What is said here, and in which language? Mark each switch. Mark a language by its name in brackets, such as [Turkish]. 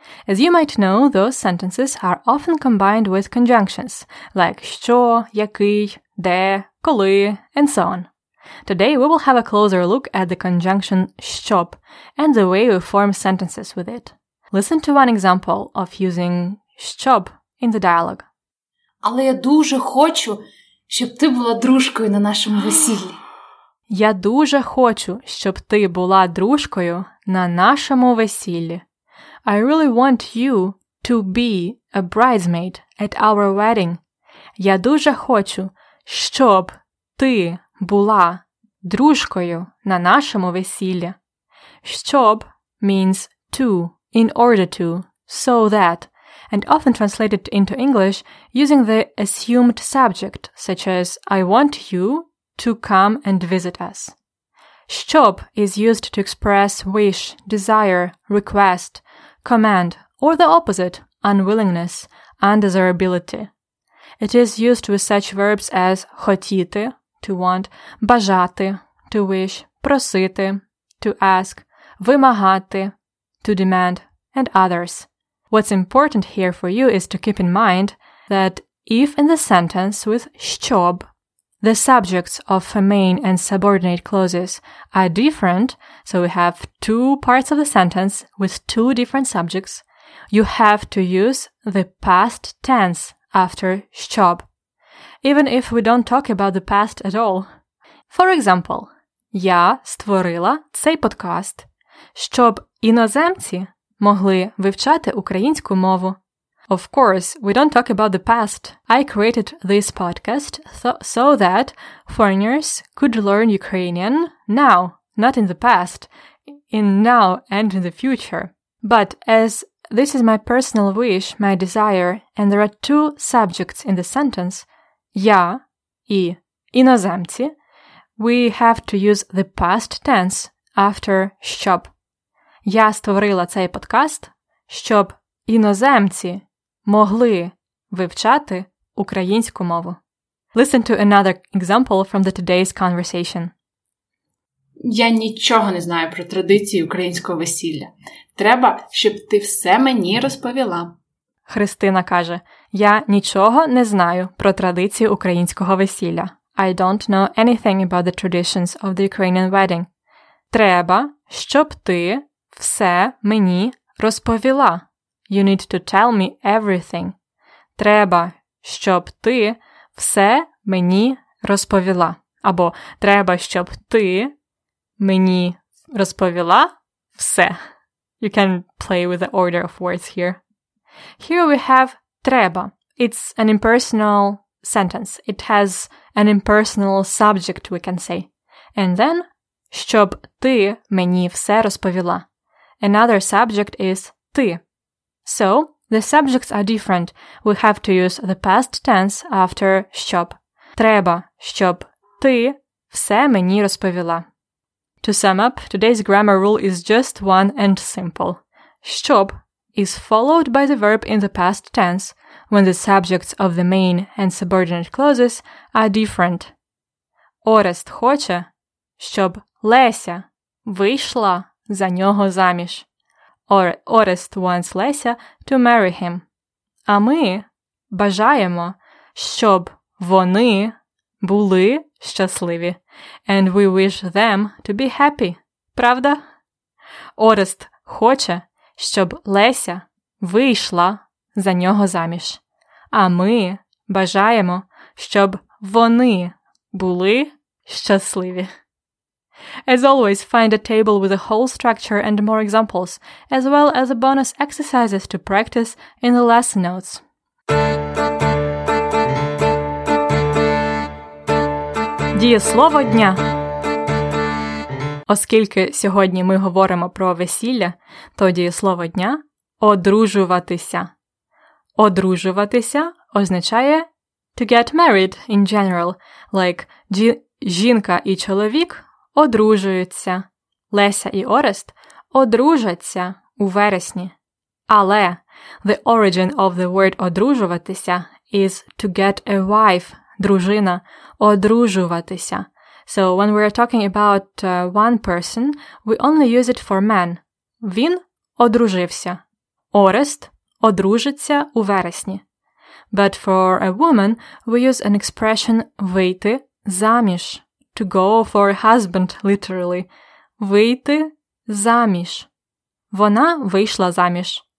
[English] As you might know, those sentences are often combined with conjunctions, like що, який, де, коли, and so on. Today we will have a closer look at the conjunction щоб and the way we form sentences with it. Listen to one example of using щоб in the dialogue. [Ukrainian] Але я дуже хочу, щоб ти була дружкою на нашому весіллі. Я дуже хочу, щоб ти була дружкою на нашому весіллі. [English] I really want you to be a bridesmaid at our wedding. [Ukrainian] Я дуже хочу, щоб ти була дружкою на нашому весіллі. [English] Щоб means to, in order to, so that, and often translated into English using the assumed subject, such as I want you to come and visit us. Щоб is used to express wish, desire, request, command, or the opposite, unwillingness, undesirability. It is used with such verbs as хотіти, to want, бажати, to wish, просити, to ask, вимагати, to demand, and others. What's important here for you is to keep in mind that if in the sentence with щоб, the subjects of main and subordinate clauses are different, so we have two parts of the sentence with two different subjects, you have to use the past tense after щоб, even if we don't talk about the past at all. For example, [Ukrainian] я створила цей подкаст, щоб іноземці могли вивчати українську мову. [English] Of course, we don't talk about the past. I created this podcast so that foreigners could learn Ukrainian now, not in the past, in now and in the future. But as this is my personal wish, my desire, and there are two subjects in the sentence, [Ukrainian] я і іноземці, [English] we have to use the past tense after щоб. [Ukrainian] Я створила цей подкаст, щоб іноземці могли вивчати українську мову. [English] Listen to another example from the today's conversation. [Ukrainian] Я нічого не знаю про традиції українського весілля. Треба, щоб ти все мені розповіла. Христина каже, я нічого не знаю про традиції українського весілля. [English] I don't know anything about the traditions of the Ukrainian wedding. [Ukrainian] Треба, щоб ти все мені розповіла. [English] You need to tell me everything. [Ukrainian] Треба, щоб ти все мені розповіла. Або треба, щоб ти мені розповіла все. [English] You can play with the order of words here. Here we have треба. It's an impersonal sentence. It has an impersonal subject, we can say. And then, [Ukrainian] щоб ти мені все розповіла. [English] Another subject is ти. So, the subjects are different. We have to use the past tense after щоб. [Ukrainian] Треба, щоб ти все мені розповіла. [English] To sum up, today's grammar rule is just one and simple. Щоб is followed by the verb in the past tense when the subjects of the main and subordinate clauses are different. [Ukrainian] Орест хоче, щоб Леся вийшла за нього заміж. [English] Or Орест wants Леся to marry him. [Ukrainian] А ми бажаємо, щоб вони були щасливі. [English] And we wish them to be happy. [Ukrainian] Правда? Орест хоче, щоб Леся вийшла за нього заміж. А ми бажаємо, щоб вони були щасливі. [English] As always, find a table with a whole structure and more examples, as well as bonus exercises to practice in the lesson notes. [Ukrainian] Дієслово дня. Оскільки сьогодні ми говоримо про весілля, то дієслово дня – одружуватися. Одружуватися означає [English] to get married in general, like [Ukrainian] жінка і чоловік одружуються. Леся і Орест одружаться у вересні. Але [English] the origin of the word одружуватися is to get a wife, дружина, одружуватися. So when we are talking about one person, we only use it for men. [Ukrainian] Він одружився. Орест одружиться у вересні. [English] But for a woman, we use an expression вийти заміж. To go for a husband, literally. [Ukrainian] Вийти заміж. Вона вийшла заміж.